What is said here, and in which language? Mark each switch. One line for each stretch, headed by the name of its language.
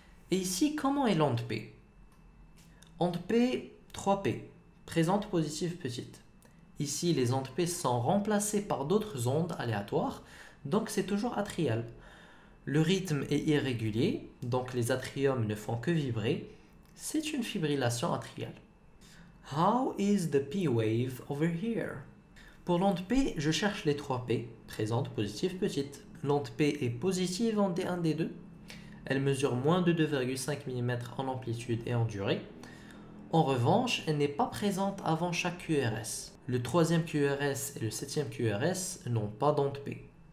French: Et ici, comment est l'onde P? Onde P, 3P, présente, positive, petite. Ici, les ondes P sont remplacées par d'autres ondes aléatoires, donc c'est toujours atrial. Le rythme est irrégulier, donc les atriums ne font que vibrer. C'est une fibrillation atriale.
English: How is the P wave over here?
French: Pour l'onde P, je cherche les 3P, présente, positive, petite. L'onde P est positive en D1-D2. Elle mesure moins de 2,5 mm en amplitude et en durée. En revanche, elle n'est pas présente avant chaque QRS. Le 3e QRS et le 7e QRS n'ont pas d'onde P.